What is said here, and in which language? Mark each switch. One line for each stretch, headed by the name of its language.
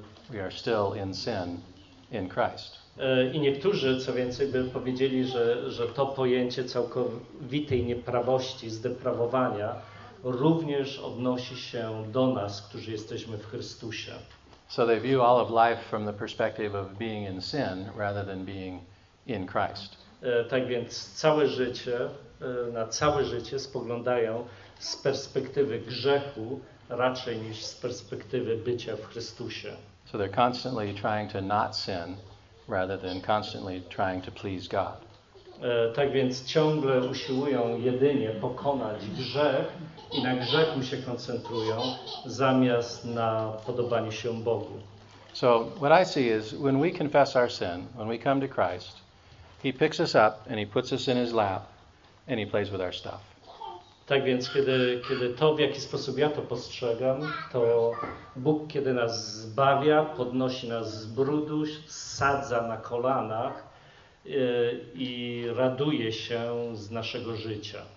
English: We are still in sin in Christ.
Polish: I niektórzy, co więcej, by powiedzieli, że to pojęcie całkowitej nieprawości, zdeprawowania, również odnosi się do nas, którzy jesteśmy w Chrystusie.
English: So they view all of life from the perspective of being in sin rather than being in Christ.
Polish: Tak więc na całe życie spoglądają z perspektywy grzechu raczej niż z perspektywy bycia w Chrystusie.
English: So they're constantly trying to not sin rather than constantly trying to please God.
Polish: Tak więc ciągle usiłują jedynie pokonać grzech i na grzechu się koncentrują zamiast na podobaniu się Bogu.
English: So what I see is when we confess our sin, when we come to Christ, He picks us up and He puts us in His lap and He plays with our stuff.
Polish: Tak więc kiedy to, w jaki sposób ja to postrzegam, to Bóg, kiedy nas zbawia, podnosi nas z brudu, sadza na kolanach i raduje się z naszego życia.